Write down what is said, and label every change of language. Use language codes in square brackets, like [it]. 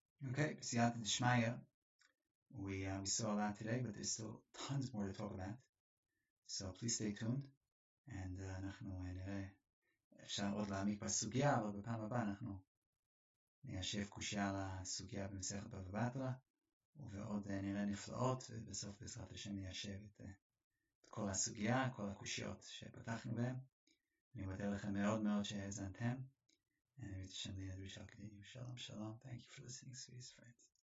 [en] Okay, B'siyat and Shmaya, we saw a lot today, but there's still tons more to talk about. So please stay tuned. [he] And אנחנו אפשר עוד להעמיק בסוגיה, אבל בפעם הבאה אנחנו ניישב קושיה על הסוגיה במסכת בבא בתרא, ועוד נראה נפלאות, ובסוף בעזרת השם ניישב את כל הסוגיה, כל הקושיות שפתחנו בהם. אני מודה לכם מאוד מאוד שהאזנתם. [en] And it's Shandina Rishakti. Shalom, shalom. Thank you for listening, sweetest friends.